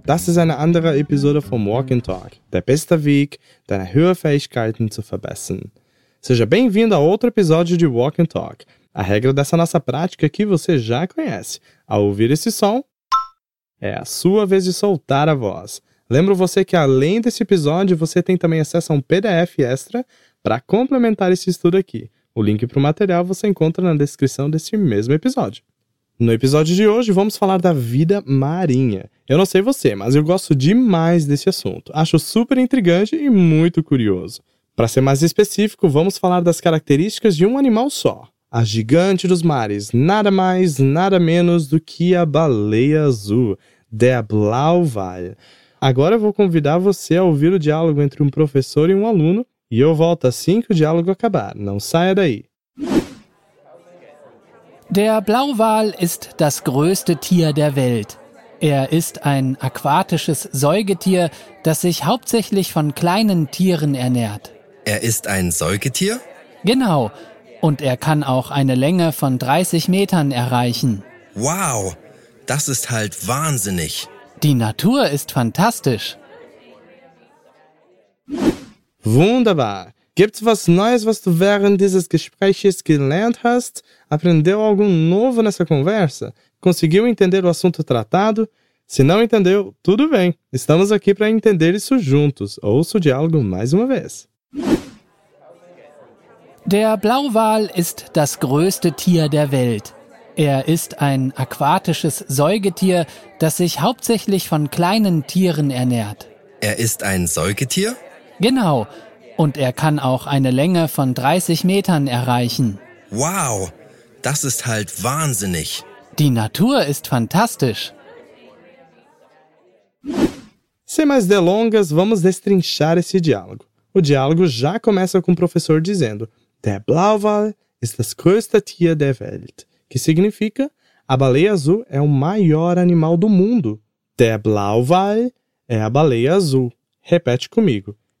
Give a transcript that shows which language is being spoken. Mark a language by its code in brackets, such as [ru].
[de] Das ist eine andere Episode vom Walk and Talk. Der beste Weg, deine Hörfähigkeiten zu verbessern. [pt] Seja bem-vindo a outro episódio de Walk and Talk. A regra dessa nossa prática que você já conhece. Ao ouvir esse som, é a sua vez de soltar a voz. Lembro você que além desse episódio, você tem também acesso a um PDF extra para complementar esse estudo aqui. O link para o material você encontra na descrição desse mesmo episódio. No episódio de hoje, vamos falar da vida marinha. Eu não sei você, mas eu gosto demais desse assunto. Acho super intrigante e muito curioso. Para ser mais específico, vamos falar das características de um animal só. A gigante dos mares, nada mais, nada menos do que a baleia azul, [de] der Blauwal. [pt] Agora eu vou convidar você a ouvir o diálogo entre um professor e um aluno, e eu volto assim que o diálogo acabar. Não saia daí! [de] Der Blauwal ist das größte Tier der Welt. Er ist ein aquatisches Säugetier, das sich hauptsächlich von kleinen Tieren ernährt. Er ist ein Säugetier? Genau. Und er kann auch eine Länge von 30 Metern erreichen. Wow, das ist halt wahnsinnig. Die Natur ist fantastisch. Wunderbar. Gibt's was Neues, was du während dieses Gesprächs gelernt hast? [pt] Aprendeu algo novo nessa conversa? Conseguiu entender o assunto tratado? Se não entendeu, tudo bem. Estamos aqui para entender isso juntos. Ouça o diálogo mais uma vez. [de] Der Blauwal ist das größte Tier der Welt. Er ist ein aquatisches Säugetier, das sich hauptsächlich von kleinen Tieren ernährt. Er ist ein Säugetier? Genau. Und er kann auch eine Länge von 30 Metern erreichen. Wow, das ist halt wahnsinnig. Die Natur ist fantastisch. [pt] Sem mais delongas, vamos destrinchar esse diálogo. O diálogo já começa com o professor dizendo: [de] Der Blauwal ist das größte Tier der Welt, [pt] que significa a baleia azul é o maior animal do mundo. [de] Der Blauwal [pt] é a baleia azul. Repete comigo.